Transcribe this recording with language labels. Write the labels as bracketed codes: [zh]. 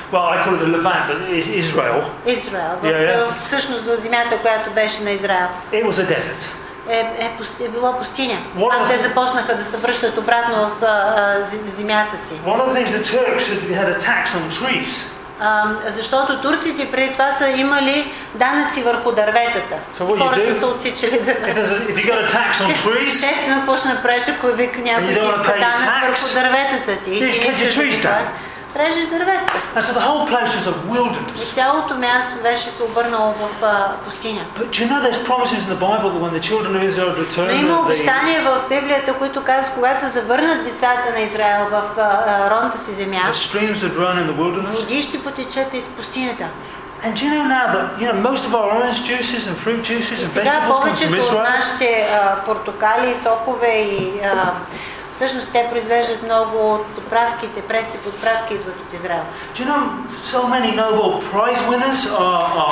[en] Well, I call it the Levant, but Israel. [bg] Израел. Всъщност в земята, която беше на Израел. [en] It was a desert. [bg] Е било пустиня. А те започнаха да се връщат обратно в земята си. [en] One of the things the Turks had a tax on trees. [bg] Защото турците преди това са имали данъци върху дърветата. [en] So [bg] хората са отсичали дървета. Естествено, какво ще направиш, ако вика някой ти иска данък върху дърветата ти? Режеш дървета. [en] And so the whole place was a wilderness. [bg] И цялото място беше се обърнало в пустиня. [en] But you know there's promises in the Bible that when the children of Israel return. [bg] Но има обещания в Библията, които казват, когато се завърнат децата на Израел в родната си земя. [en] The streams would run in the wilderness. [bg] Води ще потечат из пустинята. [en] And you know now that you know most of our orange juices and fruit juices and vegetables come from Israel. [bg] И сега повечето от нашите портокали, сокове и всъщност те произвеждат много от подправките, прести подправки идват от Израел. [en] You know, so many Nobel Prize winners are